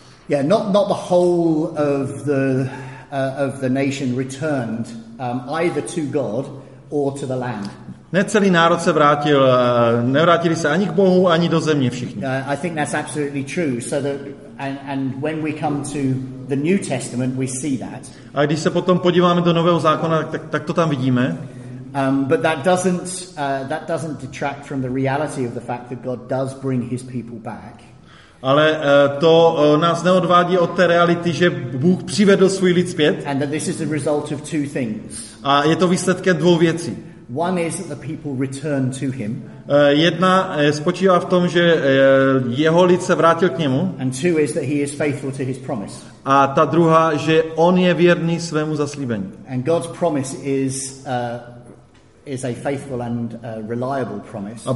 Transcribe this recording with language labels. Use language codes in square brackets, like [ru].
[en] yeah, not the whole of the nation returned either to God or to the land. [cs] Ne celý národ se vrátil, nevrátili se ani k Bohu, ani do země všichni. [en] I think that's absolutely true. So that and when we come to the New Testament, we see that. [cs] A když se potom podíváme do Nového zákona, tak to tam vidíme. [en] But that doesn't detract from the reality of the fact that God does bring His people back. [cs] Ale to nás neodvádí od té reality, že Bůh přivedl svůj lid zpět. [en] And that this is the result of two things. [cs] A je to výsledkem dvou věcí. [en] One is that the people return to him. [cs] Jedna spočívá v tom, že jeho lid se vrátil k němu. [en] And two is that he is faithful to his promise. [cs] A ta druhá, že on je věrný svému zaslíbení. [en] And God's promise is a faithful and reliable promise.